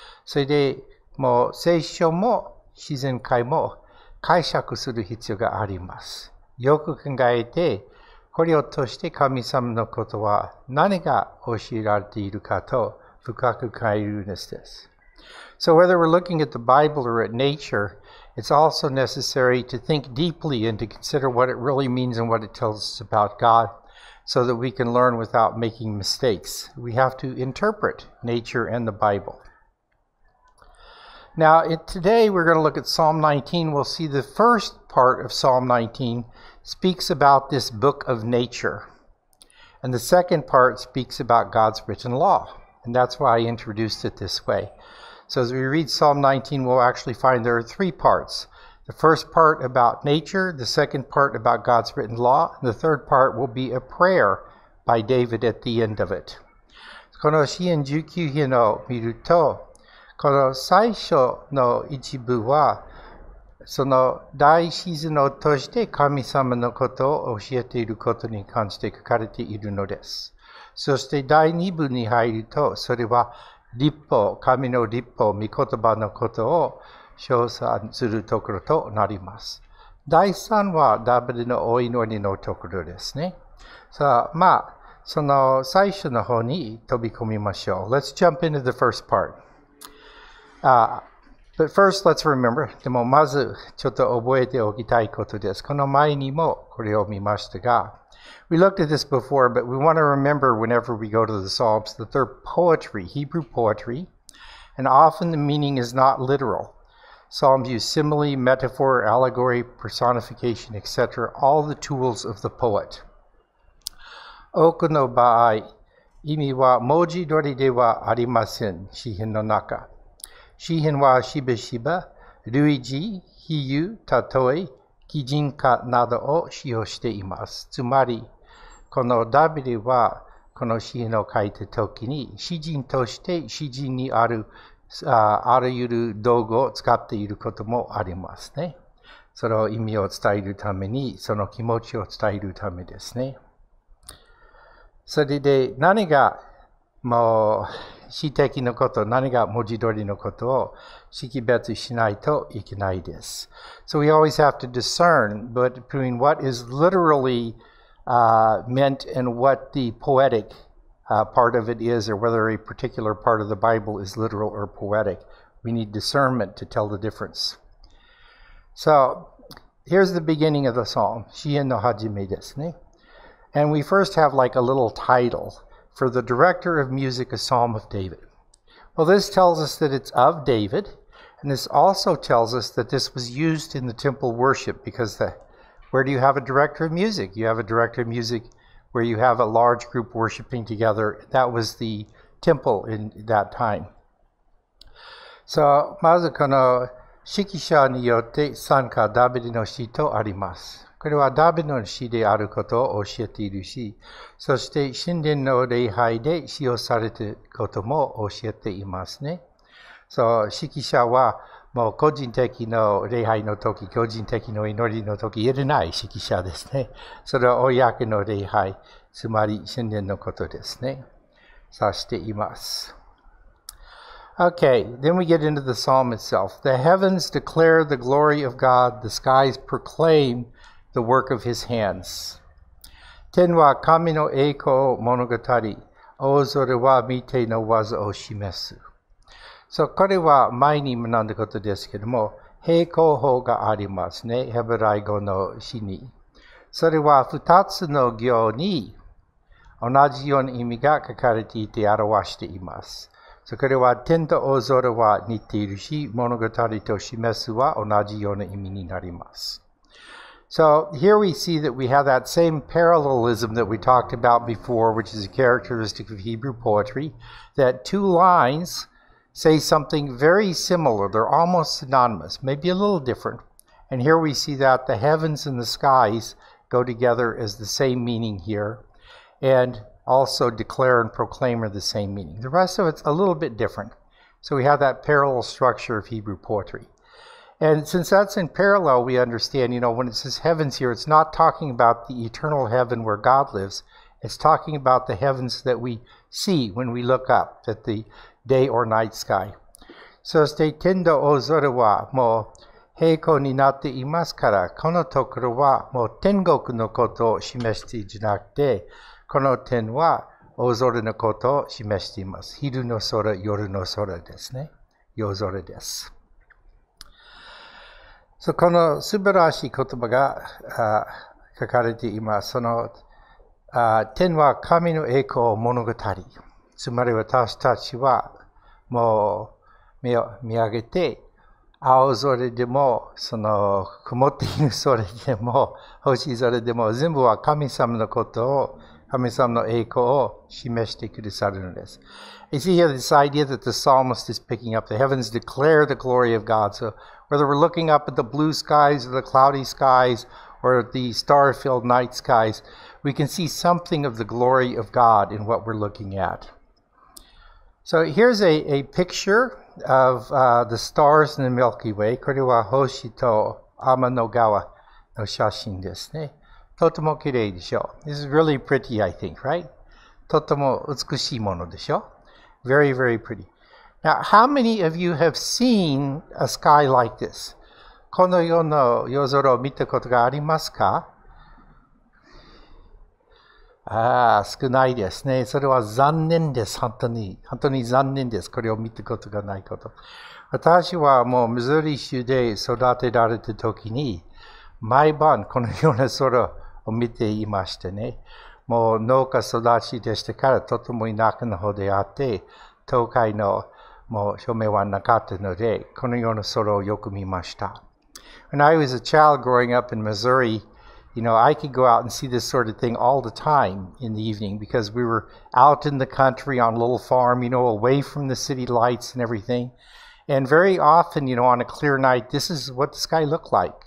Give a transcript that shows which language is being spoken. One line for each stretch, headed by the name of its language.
Japanese: それでもう聖書も自然界も解釈する必要があります。よく考えて、これを通して神様のことは何が教えられているかと深く考えるんです。
English: So whether we're looking at the Bible or at nature,It's also necessary to think deeply and to consider what it really means and what it tells us about God so that we can learn without making mistakes. We have to interpret nature and the Bible. Now, today we're going to look at Psalm 19. We'll see the first part of Psalm 19 speaks about this book of nature. And the second part speaks about God's written law. And that's why I introduced it this way. So as we read Psalm 19, we'll actually find there are three parts. The first part about nature, the second part about God's written law, and the third part will be a prayer by David at the end of it.
Japanese: この詩篇19編を見ると、この最初の一部は、その大自然を通して神様のことを教えていることに関して書かれているのです。そして第二部に入ると、それは、立法、神の立法、御言葉のことを称賛するところとなります。第3はダビデのお祈りのところですね。さあ、まあ、その最初の方に飛び込みましょう。
English: Let's jump into the first part. But first, let's remember.
Japanese: でもまず、ちょっと覚えておきたいことです。この前にもこれを見ましたが、
English: We looked at this before, but we want to remember whenever we go to the Psalms that they're poetry, Hebrew poetry, and often the meaning is not literal. Psalms use simile, metaphor, allegory, personification, etc., all the tools of the poet.
Japanese: 多くの場合、意味は文字通りではありません、詩篇の中。詩篇はしばしば、類似、比喩、例え、擬人化などを使用しています。つまり、このダビデはこの詩篇を書いたときに、詩人として詩人にあるあらゆる道具を使っていることもありますね。その意味を伝えるために、その気持ちを伝えるためですね。それで何がもう詩的のこと、何が文字通りのことを識別しないといけないです。
English: So we always have to discern between what is literally meant and what the poeticpart of it is, or whether a particular part of the Bible is literal or poetic. We need discernment to tell the difference. So, here's the beginning of the psalm,
Japanese: 詩篇の始めですね。
English: And we first have like a little title, for the director of music, a psalm of David. Well, this tells us that it's of David, and this also tells us that this was used in the temple worship, because where do you have a director of music? You have a director of musicWhere you have a large group worshiping together. That was the temple in that time.
Japanese: So, まずこの指揮者によって参加ダビデの詩とあります。これはダビデの詩であることを教えているし、そして神殿の礼拝で使用されていることも教えていますね。 So, 指揮者はもう個人的の礼拝の時、個人的の祈りの時、いれない指揮者ですね。それは公の礼拝、つまり神殿のことですね。さしています。
English: Okay, then we get into the psalm itself. The heavens declare the glory of God, the skies proclaim the work of his hands.
Japanese: 天は神の栄光を物語、大空は御手の技を示す。 So, これは前に学んだことですけども、平行法がありますね、ヘブライ語の詩に。それは二つの行に同じような意味が書かれていて表しています。 So, これは天と大空は似ているし、物語と示すは同じような意味になります。
English: So, here we see that we have that same parallelism that we talked about before, which is a characteristic of Hebrew poetry, that two lines... say something very similar, they're almost synonymous, maybe a little different. And here we see that the heavens and the skies go together as the same meaning here, and also declare and proclaim are the same meaning. The rest of it's a little bit different. So we have that parallel structure of Hebrew poetry. And since that's in parallel, we understand, you know, when it says heavens here, it's not talking about the eternal heaven where God lives, it's talking about the heavens that we see when we look up, that the... day or night sky.
Japanese: そして天と大空はもう平行になっていますから、このところはもう天国のことを示しているなくて、この天は大空のことを示しています。昼の空、夜の空ですね。夜空です。 So, この素晴らしい言葉が書かれています。その天は神の栄光を物語。つまり私たちはもう見上げて青空でもその曇っている空でも星空でも全部は神様のことを神様の栄光を示してくださるのです。
English: You see here this idea that the psalmist is picking up. The heavens declare the glory of God. So whether we're looking up at the blue skies or the cloudy skies or the star-filled night skies, we can see something of the glory of God in what we're looking at. So here's a picture of the stars in the Milky Way.
Japanese: これは星と天の川の写真ですね。とても綺麗でしょう。
English: This is really pretty, I think, right?
Japanese: とても美しいものでしょう。
English: Very, very pretty. Now, how many of you have seen a sky like this?
Japanese: このような夜空を見たことがありますか? 少ないですね。それは残念です。本当に。本当に残念です。これを見たことがないこと。私はもうミズーリ州で育てられた時に、毎晩このような空を見ていましてね。もう農家育ちでしたから、とても田舎の方であって、東海のもう照明はなかったので、このような空をよく見ました。
English: When I was a child growing up in Missouri,You know, I could go out and see this sort of thing all the time in the evening because we were out in the country on a little farm, you know, away from the city lights and everything. And very often, you know, on a clear night, this is what the sky looked like.